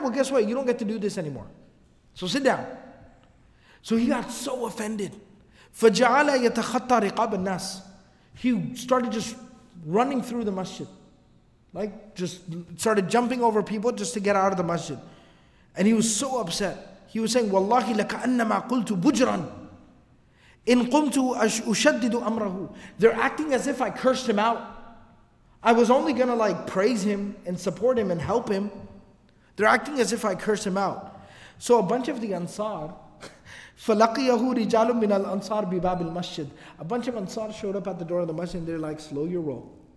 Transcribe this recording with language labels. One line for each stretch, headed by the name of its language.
English: Well, guess what? You don't get to do this anymore. So sit down. So he got so offended.
Arabic: فَجَعَلَ يَتَخَطَّى رِقَابَ النَّاسِ.
English: He started just running through the masjid. Like, just started jumping over people just to get out of the masjid. And he was so upset. He was saying,
Arabic: وَاللَّهِ لَكَأَنَّمَا قُلْتُ بُجْرًا إِن قُمْتُ أُشَدِّدُ أَمْرَهُ.
English: They're acting as if I cursed him out. I was only going to like praise him and support him and help him. They're acting as if I cursed him out. So a bunch of the Ansar,
Arabic: فَلَقِيَهُ رِجَالٌ مِنَ الْأَنْصَارِ بِبَابِ الْمَسْجِدِ.
English: A bunch of Ansar showed up at the door of the masjid and they're like, slow your roll.